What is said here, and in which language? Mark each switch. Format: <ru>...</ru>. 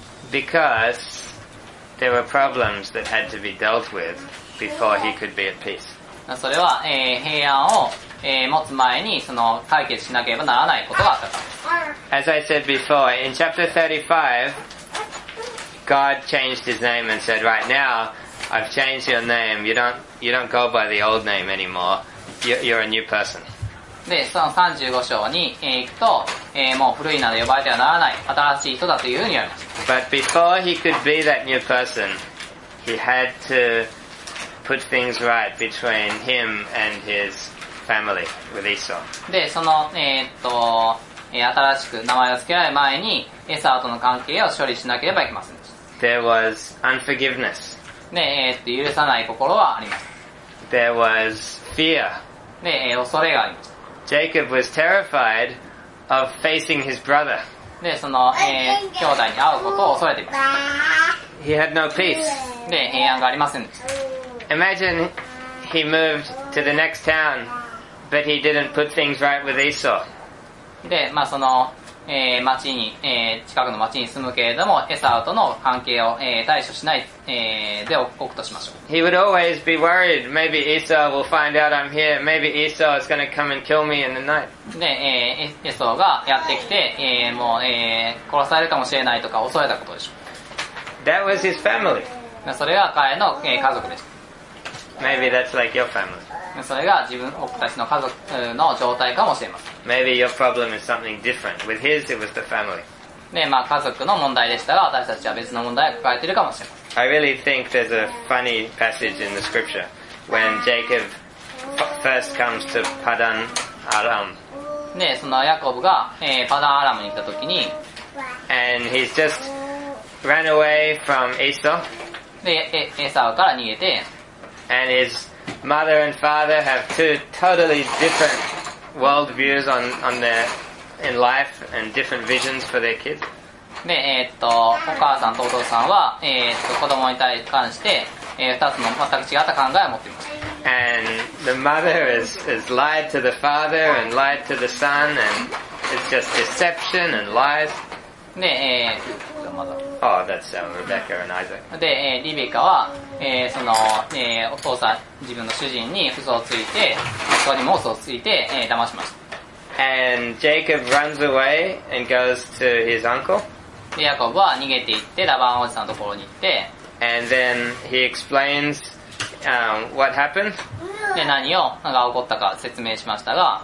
<en>Because there were problems that had to be dealt with before he could be at peace.</en> <ja>それは、平安を、持つ前にその解決しなければならないことがあったか。</ja> <en>As I said before, in chapter 35, God changed his name and said, right now, I've changed your name. You don't go by the old name anymore. You're a new person.</en> <ja>で、その35章に行くと、もう古い名で呼ばれてはならない、新しい人だというふうに言われます。</ja> <en>But before he could be that new person, he had to put things right between him and his family with Esau.</en> <ja>で、その、新しく名前を付けられる前に、エサーとの関係を処理しなければいけませんでした。</ja> <en>There was unforgiveness.</en> <ja>で、許さない心はあります。</ja> <en>There was fear.</en> <ja>で、恐れがあります。</ja> <en>Jacob was terrified of facing his brother.</en> <ja>で、その、兄弟に会うことを恐れていました。</ja> <en>He had no peace.</en> <ja>で、平安がありませんでした。</ja> <en>Imagine he moved to the next town, but he didn't put things right with Esau.</en> <ja>で、まあ、その、町に、近くの町に住むけれども、エサウとの関係を、対処しない、で置くとしましょう。</ja> <en>He would always be worried. Maybe Esau will find out I'm here. Maybe Esau is going to come and kill me in the night.</en> <ja>で、エサウがやってきて、もう、殺されるかもしれないとか恐れたことでしょう。</ja> <en>That was his family.</en> <ja>それが彼の、家族でした。</ja> <en>Maybe that's like your family.</en> <ja>それが自分、僕たちの家族の状態かもしれません。</ja> <en>Maybe your problem is something different. With his, it was the family.</en> <ja>で、まあ家族の問題でしたら、私たちは別の問題を抱えているかもしれません。</ja> <en>I really think there's a funny passage in the scripture when Jacob first comes to Padan Aram.</en> <ja>で、そのヤコブが、パダンアラムに行った時に、</ja> <en>and he's just ran away from Esau.</en> <ja>で、エサウから逃げて、</ja> <en>And his mother and father have two totally different world views on their in life and different visions for their kids.</en> <ja>で、お母さんとお父さんは、子供に対して、二つの全く違った考えを持っています。</ja> <en>And the mother is lied to the father and lied to the son and it's just deception and lies. で、 Oh, that's Rebecca and Isaac.</en> <ja>で、リベカは、その、お父さん、自分の主人に嘘をついて、そこにも嘘をついて、騙しました。</ja> <en>And Jacob runs away and goes to his uncle.</en> <ja>で、ヤコブは逃げていって、ラバンおじさんのところに行って、</ja> <en>And then he explains, what happened.</en> <ja>で、何が起こったか説明しましたが、</ja>